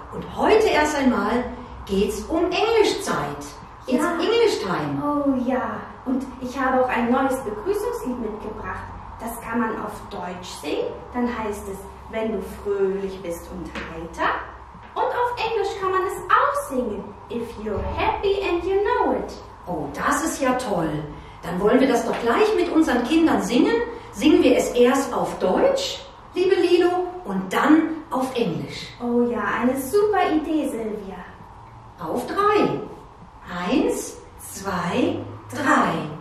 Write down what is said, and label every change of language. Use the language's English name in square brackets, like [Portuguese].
[German] Und heute erst einmal geht's um Englischzeit. [English] It's English time. [German] Oh ja, und ich habe auch ein neues Begrüßungslied mitgebracht. Das kann man auf Deutsch singen, dann heißt es, wenn du fröhlich bist und heiter. Und auf Englisch kann man es auch singen. [English] If you're happy and you know it. [German] Oh, das ist ja toll. Dann wollen wir das doch gleich mit unseren Kindern singen. Singen wir es erst auf Deutsch, liebe Lilo, und dann auf Englisch. Oh ja, eine super Idee, Silvia. Auf drei. Eins, zwei, drei.